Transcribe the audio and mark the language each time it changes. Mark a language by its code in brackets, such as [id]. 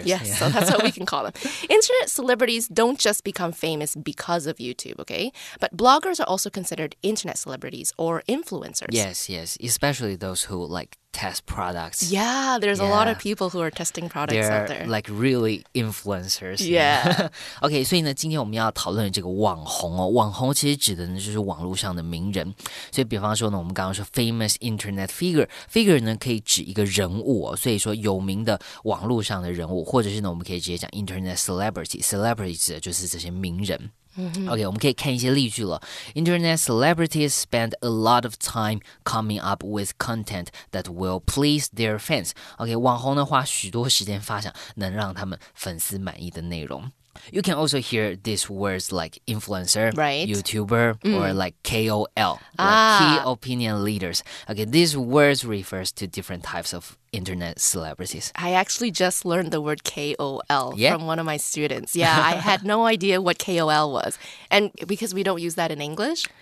[en] So, yes, so that's what we can call them. Internet celebrities don't just become famous because of YouTube, okay? But bloggers are also considered internet celebrities or influencers. Yes, yes. Especially those who, like, test products. Yeah, there's a lot of people who are testing products They're out there. Like really influencers. Yeah. [zh] OK, 所以呢今天我们要讨论这个网红哦。网红其实指的就是网络上的名人。所以比方说呢我们刚刚说 [en] famous internet figure。 [zh] Figure 呢可以指一个人物哦。所以说有名的网络上的人物或者是呢我们可以直接讲 [en] internet celebrity。 [zh] Celebrity 指的就是这些名人。 OK, 我们可以看一些例句了。 [en] Internet celebrities spend a lot of time coming up with content that will please their fans. [zh] OK, 网红呢花许多时间发想能让他们粉丝满意的内容。 [en] You can also hear these words like influencer, right. YouTuber, or like KOL, like Key Opinion Leaders. OK, these words refer to different types of internet celebrities. I actually just learned the word KOL yeah. from one of my students. Yeah, I had no idea what KOL was. And because we don't use that in English?